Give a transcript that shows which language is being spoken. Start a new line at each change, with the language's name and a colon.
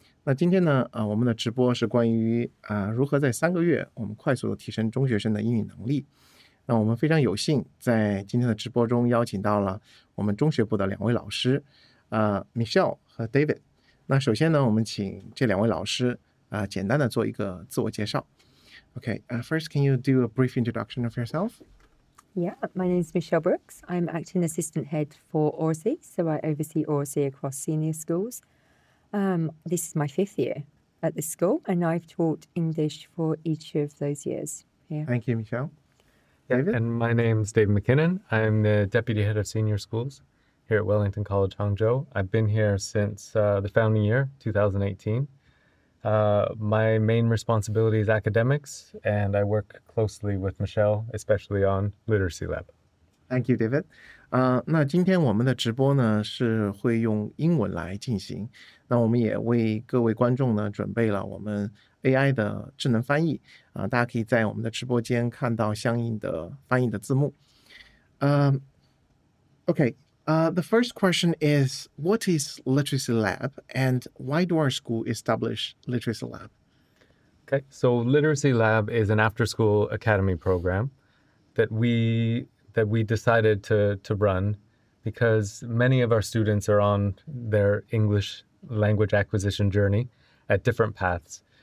Chinese: 那今天呢，我们的直播是关于如何在三个月我们快速的提升中学生的英语能力。那我们非常有幸在今天的直播中邀请到了我们中学部的两位老师，Michelle 和 David。那首先呢，我们请这两位老师。简单的做一个自我介绍。
English: Okay, first, can you do a brief introduction of yourself? Yeah, my name is Michelle Brooks. I'm acting assistant head for ORSI, so I oversee ORSI across senior schools. This is my fifth year at the school, and I've taught English for each of those years. Yeah. Thank you, Michelle. David? And my name is David McKinnon. I'm the deputy head of senior schools here at Wellington College Hangzhou. I've been here since the founding year, 2018. My main responsibility is academics, and I work closely with Michelle, especially on Literacy Lab. Thank you, David.
Chinese: 那今天我们的直播呢是会用英文来进行。那我们也为各位观众呢准备了我们 AI 的智能翻译。大家可以在我们的直播间看到相应的翻译的字幕。
English: The first question is, what is Literacy Lab and why do our school establish Literacy Lab? Okay, so Literacy Lab is an after-school academy program that we decided to run because many of our students are on their English language acquisition journey at different paths.